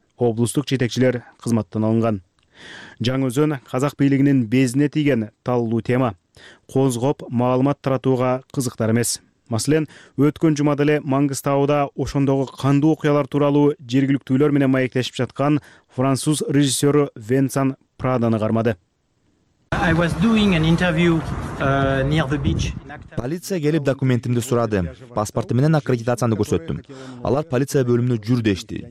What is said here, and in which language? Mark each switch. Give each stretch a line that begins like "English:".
Kyrgyz: Облустук жетекчилер кызматтан алынган. Жаңөзөн казак бийлигинин безине тийген таалуу тема. Козгоп маалымат таратууга кызыктар эмес. Маселен, өткөн жумада эле Маңгыстауда ошондогу кандуу окуялар тууралуу жергиликтүүлөр менен маектешип жаткан француз режиссёру Венсан Праданы кармады.
English: I was doing an interview near the beach.
Kyrgyz: Полиция келип документимди сурады. Паспорту менен аккредитацияны көрсөттүм. Алар полиция бөлүмүнө жүр дешти.